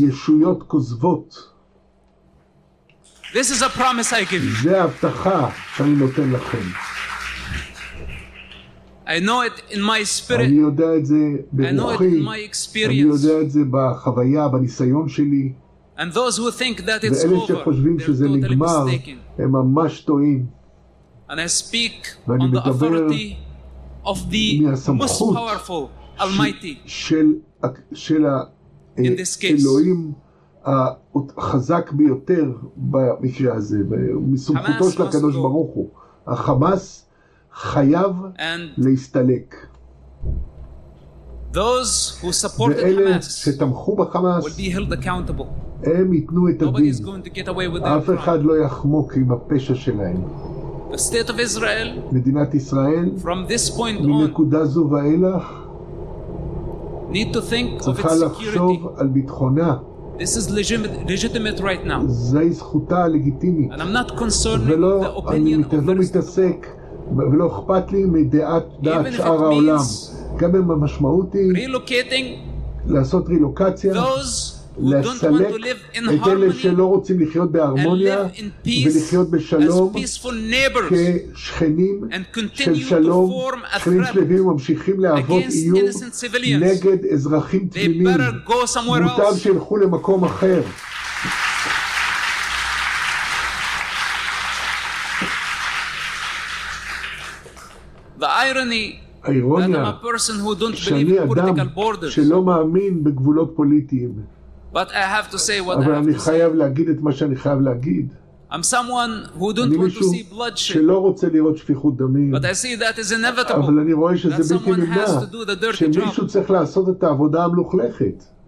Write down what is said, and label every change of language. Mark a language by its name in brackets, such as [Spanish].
[Hebrew] ישויות כוזבות. [English] This is a promise I give. [Hebrew] זה הבטחה שאני נותן לכם. [English] I know it in my spirit. [Hebrew] אני יודע את זה ברוחי. [English] I know it in my experience. [Hebrew] אני יודע את זה בחוויה, בניסיון שלי. [English] And those who think that it's over, they're totally mistaken. [Hebrew] הם ממש טועים. [English] And I speak on the authority of the most powerful, almighty. [Hebrew] של האלוהים החזק ביותר במקרה הזה, מסמכותו של הקדוש ברוך הוא. החמאס חייב להסתלק. [English] Those who supported [Hebrew] ואלה שתמכו בחמאס [English] will be held accountable. [Hebrew] הם ייתנו את [English] Nobody [Hebrew] הדין. [English] Is going to get away with [Hebrew] אף אחד לא יחמוק עם הפשע שלהם. [English] The state of Israel, [Hebrew] מדינת ישראל [English] from this point [Hebrew] מנקודה [English] on, [Hebrew] זו ואילך [English] need to think [Hebrew] צריכה [English] of [Hebrew] לחשוב על ביטחונה. [English] This is legitimate right now. [Hebrew] זו זכותה הלגיטימית. [English] And I'm not concerned with the opinion of [Hebrew] אני מתעסק ולא אכפת לי מדעת דעת שאר העולם. גם אם המשמעות היא לעשות רילוקציה, לסלק את אלה שלא רוצים לחיות בהרמוניה ולחיות בשלום כשכנים של שלום, שכנים שלווים ממשיכים להוות איום נגד אזרחים תמימים. מוטב שילכו למקום אחר. האירוניה [English] that I'm a person who don't believe in political borders. [Hebrew] שלא מאמין בגבולות פוליטיים. [English] But I have to say what [Hebrew] אבל [English] I have [Hebrew] אני [English] to [Hebrew] חייב [English] say. [Hebrew] להגיד את מה שאני חייב להגיד. [English] I'm someone who don't want to see bloodshed. [Hebrew] שלא רוצה לראות שפיכות דמים. [English] But I see that is inevitable. [Hebrew] אבל אני רואה שזה בלתי נמנע. [English] Someone has to do the dirty job. [Hebrew] שמישהו צריך לעשות את העבודה המלוכלכת.